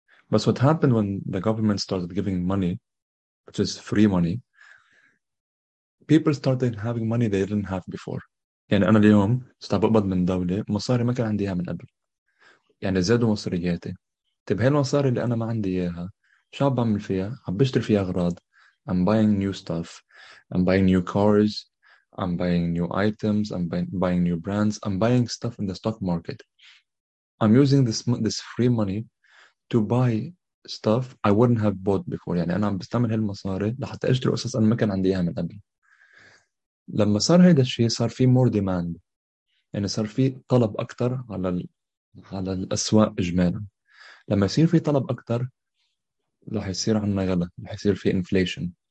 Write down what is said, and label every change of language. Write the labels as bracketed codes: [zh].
[en] But what happened when the government started giving money, which is free money, people started having money they didn't have before. [ar] يعني أنا اليوم استقبلت من دولة مصاري ما كان عنديها من قبل. يعني زادوا مصرياتي. طيب هاي المصاري اللي أنا ما عندي إياها شو عم بعمل فيها؟ عم بشتري فيها أغراض. [en] I'm buying new stuff. I'm buying new cars. I'm buying new items. I'm buying new brands. I'm buying stuff in the stock market. I'm using this free money to buy stuff I wouldn't have bought before. [ar] يعني أنا عم بستعمل هالمصاري لحتى أشتري قصص أنا ما كان عندي إياها من قبل. لما صار هيدا الشيء صار في [en] more demand. [ar] يعني صار في طلب أكتر على الأسواق إجمالا. لما يصير في طلب أكتر رح يصير عنا غلا، رح يصير في inflation.